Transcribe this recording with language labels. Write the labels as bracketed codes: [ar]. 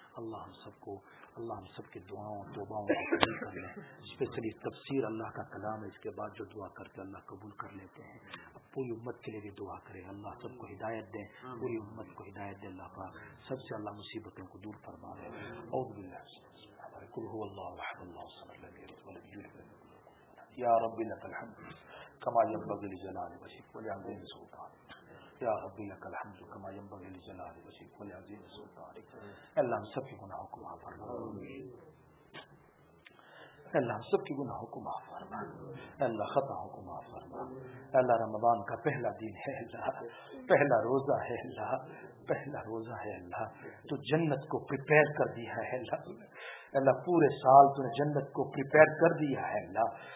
[ur] اللہ ہم سب کو, اللہ ہم سب کی دعاؤں اور توباؤں کو قبول کر لیں, اسپیشلی تفسیر اللہ کا کلام ہے, اس کے بعد جو دعا کر کے اللہ قبول کر لیتے ہیں. پوری امت کے لیے بھی دعا کرے, اللہ سب کو ہدایت دیں, پوری امت کو ہدایت دے, اللہ پاک سب سے اللہ مصیبتوں کو دور فرما لے. [ar] اور قل هو الله احد الله الصمد لم يلد ولم يولد. يا رب لك الحمد كما ينبغي لجلال وجهك ولعظيم سلطانك. يا رب لك الحمد كما ينبغي لجلال وجهك ولعظيم سلطانك. [ur] اللهم سب كي گناہوں کو معاف فرما, اللہ سب کی گناہوں کو معاف فرما, اللہ خطاؤں کو معاف فرما. اللہ رمضان کا پہلا دن ہے اللہ, پہلا روزہ ہے اللہ, پہلا روزہ ہے اللہ, تو جنت کو پریپیئر کر دیا ہے اللہ, اللہ پورے سال تو نے جنت کو پریپیئر کر دیا ہے اللہ.